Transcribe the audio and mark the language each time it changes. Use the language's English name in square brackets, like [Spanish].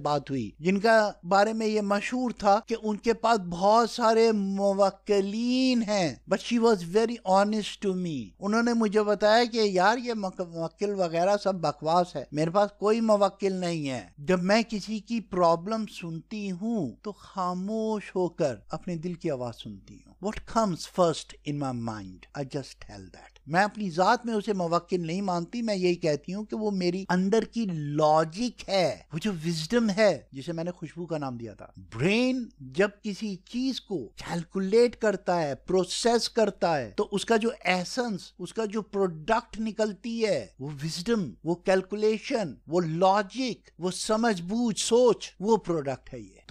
[Urdu] بات ہوئی جن کا بارے میں یہ مشہور تھا کہ ان کے پاس بہت سارے موکلین ہیں, [English] But she was very honest to me. [Urdu] انہوں نے مجھے بتایا کہ یار یہ موکل وغیرہ سب بکواس ہے, میرے پاس کوئی موکل نہیں ہے. جب میں کسی کی پرابلم سنتی ہوں تو خاموش ہو کر اپنے دل کی آواز سنتی ہوں. [English] What comes first in my mind, I just tell that. [Urdu] میں اپنی ذات میں اسے موکل نہیں مانتی, میں یہی کہتی ہوں کہ وہ میری اندر کی لاجک ہے, وہ جو وزڈم ہے جسے میں نے خوشبو کا نام دیا تھا. برین جب کسی چیز کو کیلکولیٹ کرتا ہے, پروسیس کرتا ہے, تو اس کا جو ایسنس, اس کا جو پروڈکٹ نکلتی ہے وہ وزڈم, وہ کیلکولیشن, وہ لاجک, وہ سمجھ بوجھ سوچ, وہ پروڈکٹ ہے یہ.